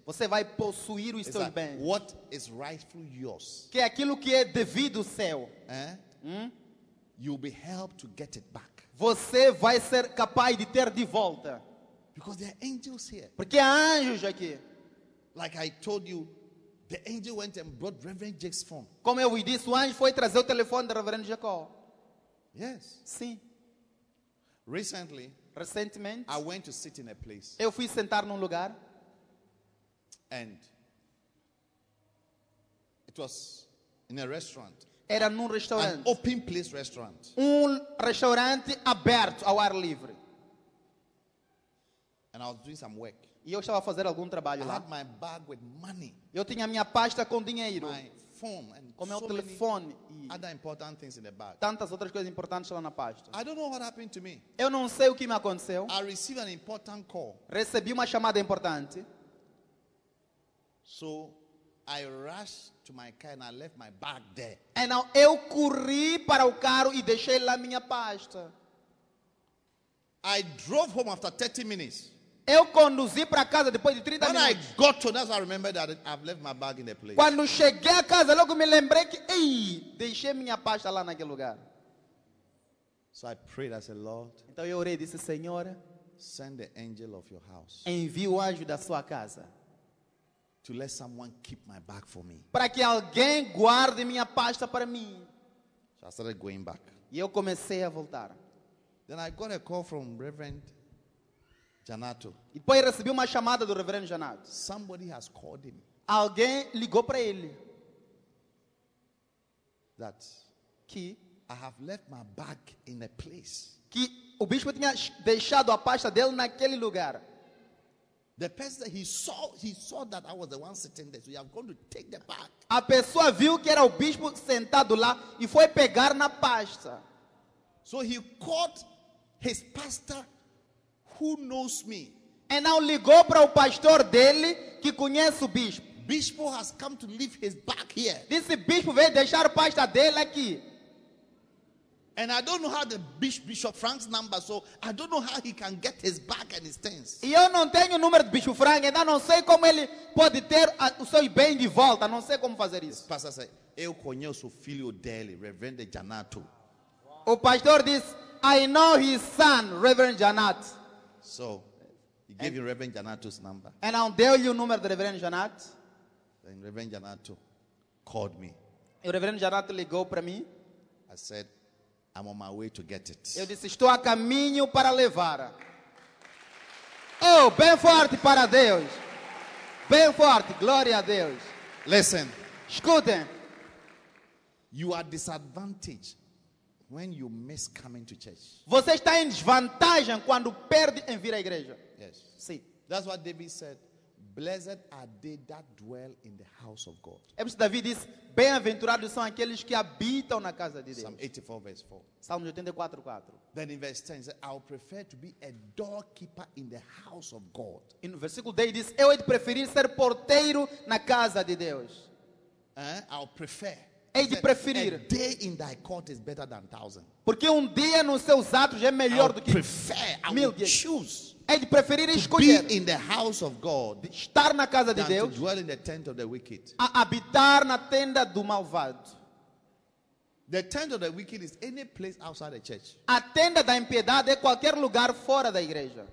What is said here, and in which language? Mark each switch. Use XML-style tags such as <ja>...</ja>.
<pt>Você vai possuir os seus bens.</pt> <en>What is rightful yours?</en> <pt>Que é aquilo que é devido seu.</pt> <en>You'll be helped to get it back.</en> <pt>Você vai ser capaz de ter de volta.</pt> <en>Because there are angels here.</en> <pt>Porque há anjos aqui.</pt> <en>Like I told you, the angel went and brought Reverend Jake's phone.</en> <pt>Como eu disse, o anjo foi trazer o telefone do Reverendo Jacó.</pt> <en>Yes.</en> <pt>Sim.</pt> <en>Recently.</en> <pt>Recentemente,</pt> <en>I went to sit in a place.</en> <pt>Eu fui sentar num lugar.</pt> <en>And it was in a restaurant.</en> <pt>Era num restaurante.</pt> <en>An open place restaurant.</en> <pt>Restaurante aberto ao ar livre.</pt> <en>And I was doing some work.</en> <pt>E eu estava a fazer algum trabalho</pt> <en>I</en> <pt>lá.</pt> <en>Had my bag with money.</en> <pt>Eu tinha a minha pasta com dinheiro.</pt> <en>My phone and</en> <pt>com meu</pt> <en>so</en> <pt>telefone</pt> <en>e other important things in the bag.</en> <pt>Tantas outras coisas importantes lá na pasta.</pt> <en>I don't know what happened to me.</en> <pt>Eu não sei o que me aconteceu.</pt> <en>I received an important call.</en> <pt>Recebi uma chamada importante.</pt> <en>So I rushed to my car and I left my bag there. And now</en> <pt>eu corri para o carro e deixei lá minha pasta.</pt> <en>I drove home after 30 minutes.</en> <pt>Eu conduzi para casa depois de 30 minutos.</pt> <en>When I got to, that's why I remember that I've left my bag in the place.</en> <pt>Quando cheguei a casa, logo me lembrei que deixei minha pasta lá naquele lugar.</pt> <en>So I prayed, I said, Lord.</en> <pt>Então eu orei, disse, Senhor,</pt> <en>send the angel of your house.</en> <pt>Envie o anjo da sua casa.</pt> <en>To let someone keep my bag for me.</en> <pt>Para que alguém guarde minha pasta para mim.</pt> <en>So I started going back.</en> <pt>E eu comecei a voltar.</pt> <en>Then I got a call from Reverend Janato.</en> <pt>E depois recebi uma chamada do Reverendo Janato.</pt> <en>Somebody has called him.</en> <pt>Alguém ligou para ele.</pt> <en>That</en> <pt>que</pt> <en>I have left my bag in a place.</en> <pt>Que o bispo tinha deixado a pasta dele naquele lugar.</pt> <en>The person that he saw that I was the one sitting there, so he was going to take the bag.</en> <pt>A pessoa viu que era o bispo sentado lá e foi pegar na pasta.</pt> <en>So he called his pastor. Who knows me?</en> <pt>E não ligou para o pastor dele que conhece o bispo.</pt> <en>Bispo has come to leave his bag here.</en> <pt>Disse bispo veio deixar a pasta dele aqui.</pt> <en>And I don't know how the bishop Frank's number, so I don't know how he can get his bag and his things.</en> <pt>E eu não tenho o número do bispo Frank, ainda não sei como ele pode ter o seu bem de volta. Não sei como fazer isso. O pastor</pt> <en>said,</en> <pt>eu conheço o filho dele, Reverend Janato. O pastor disse,</pt> <en>I know his son,</en> <pt>Reverend Janato.</pt> <en>So, he gave you Reverend Janato's number. And I'll tell you the number of Reverend Janato. Then Reverend Janato called me.</en> <pt>E o Reverend Janato ligou para mim.</pt> <en>I said, I'm on my way to get it.</en> <pt>Eu disse, estou a caminho para levar. Oh, bem forte para Deus. Bem forte, glória a Deus.</pt> <en>Listen.</en> <pt>Escutem.</pt> <en>You are disadvantaged. When you miss coming to church.</en> <pt>Você está em desvantagem quando perde em vir à igreja.</pt> <en>Yes. See. That's what David said. Blessed are they that dwell in the house of God.</en> <pt>É isso que David diz. Bem-aventurados são aqueles que habitam na casa de Deus.</pt> <en>Psalm 84 verse 4.</en> <pt>Salmo 84, 4.</pt> <en>Then in verse 10 he said, I'll prefer to be a doorkeeper in the house of God.</en> <pt>E no versículo 10 diz, eu hei de preferir ser porteiro na casa de Deus.</pt> <en>I'll prefer.</en> <pt>É de preferir.</pt> <en>A day in thy court is better than thousand.</en> <pt>Porque dia nos seus atos é melhor do que</pt> <en>prefer,</en> <pt>mil dias.</pt> <en>Choose.</en> <pt>É de preferir escolher.</pt> <en>Be in the house of God.</en> <pt>Estar na casa de Deus.</pt> <en>To dwell in the tent of the wicked.</en> <pt>A habitar na tenda do malvado.</pt> <en>The tent of the wicked is any place outside the church.</en> <pt>A tenda da impiedade é qualquer lugar fora da igreja.</pt>